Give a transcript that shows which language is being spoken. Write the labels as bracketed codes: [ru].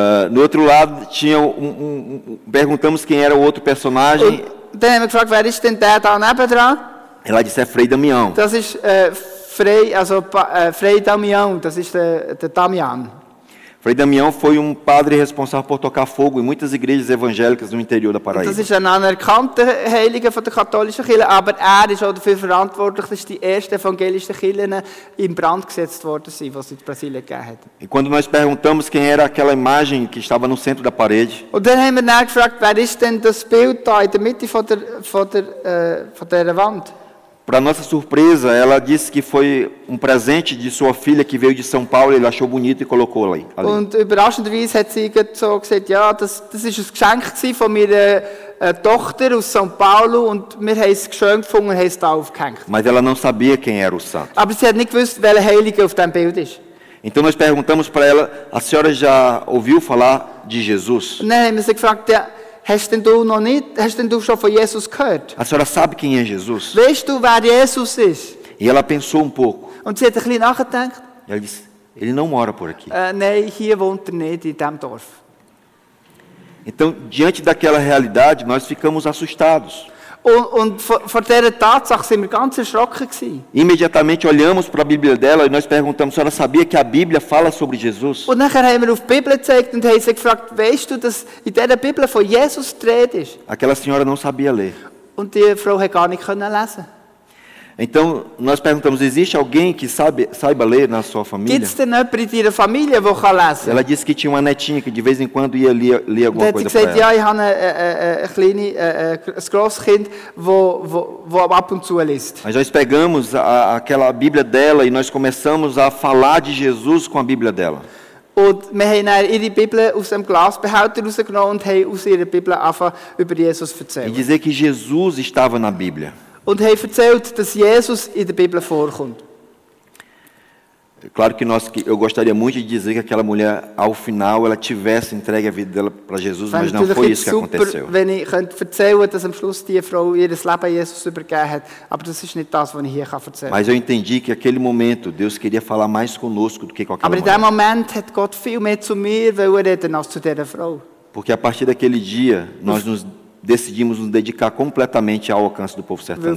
[pt] No outro lado tinha perguntamos quem era o outro personagem. [de] Dann haben wir gefragt, wer ist denn der da nebendran? [pt] Ela disse, é Frei Damião. [de] Das ist Frei Damião, das ist der Damian. [pt] Frei Damião foi padre responsável por tocar fogo em muitas igrejas evangélicas no interior da Paraíba. [de] Das ist ein anerkannter Heiliger von der katholischen Kirche, aber er ist auch dafür verantwortlich, dass die ersten evangelischen Kirchen in Brand gesetzt worden sind, was in Brasilien gegeben hat. [pt] E quando nós perguntamos quem era aquela imagem que estava no centro da parede. [de] Und dann haben wir nachgefragt, wer ist denn das Bild da in der Mitte von der Wand? [pt] Para nossa surpresa, ela disse que foi presente de sua filha que veio de São Paulo, ele achou bonito e colocou ali. [de] Und überraschenderweise hat sie so gesagt, ja, das ist ein Geschenk gsi von meiner Tochter aus São Paulo und mir heisst geschenkt von mir heisst aufgehängt. [pt] Mas ela não sabia quem era o santo. [de] Aber sie hat nicht gewusst, welcher Heilige auf dem Bild ist. [pt] Então nós perguntamos para ela, a senhora já ouviu falar de Jesus? [de] Nein, wir sie gefragt, ja, hast du schon von Jesus gehört? [pt] A senhora sabe quem é Jesus? [de] Weißt du, wer Jesus ist? [pt] E ela pensou pouco. [de] Und sie hat ein bisschen nachgedacht. [pt] E ela disse, ele não mora por aqui. [de] Nein, hier wohnt er nicht, in diesem Dorf. [pt] Então, diante daquela realidade, nós ficamos assustados. [de] Und vor dieser Tatsache sind wir ganz erschrocken gewesen. [pt] Imediatamente olhamos para a Bíblia dela e nós perguntamos, se ela sabia que a Bíblia fala sobre Jesus? [de] Und nachher haben wir auf die Bibel gezeigt und haben sie gefragt, weißt du, dass in dieser Bibel von Jesus geredet ist? [pt] Aquela senhora não sabia ler. [de] Und die Frau hat gar nicht können lesen. [pt] Então, nós perguntamos, existe alguém que saiba ler na sua família? [de] Gibt es denn jemanden in deiner Familie, der lesen? [pt] Ela disse que tinha uma netinha que de vez em quando ia ler alguma coisa para ela. [de] Sie gesagt, ja, ich habe ein Grosskind, wo ab und zu liest. [pt] Mas nós pegamos aquela Bíblia dela e nós começamos a falar de Jesus com a Bíblia dela. [de] Und wir haben dann ihre Bibel aus dem Glasbehälter rausgenommen und haben aus ihrer Bibel angefangen, über Jesus zu erzählen. [pt] E dizer que Jesus estava na Bíblia. [de] Und haben erzählt, dass Jesus in der Bibel vorkommt. [pt] Claro que nós, eu gostaria muito de dizer que aquela mulher, ao final, ela tivesse entregue a vida dela para Jesus, mas não foi isso que aconteceu. [de] Wenn ich könnte erzählen, dass am Schluss die Frau ihr Leben Jesus übergeben hat, aber das ist nicht das, was ich hier erzählen kann. [pt] Mas eu entendi que aquele momento Deus queria falar mais conosco do que com aquela mulher. [de] Aber in dem Moment hat Gott viel mehr zu mir, weil er reden als zu dieser Frau. [pt] Porque a partir daquele dia, nós nos decidimos nos dedicar completamente ao alcance do povo sertanejo.